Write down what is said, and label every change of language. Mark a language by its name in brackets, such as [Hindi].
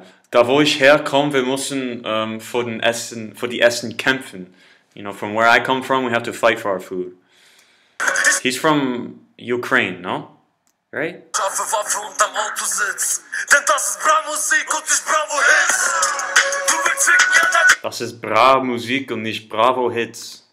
[German] Da wo ich herkomme, wir müssen für die Essen kämpfen. [English] You know, from where I come from, we have to fight for our food. He's from Ukraine, no? Right? [German] Das ist bra Musik und nicht Bravo Hits.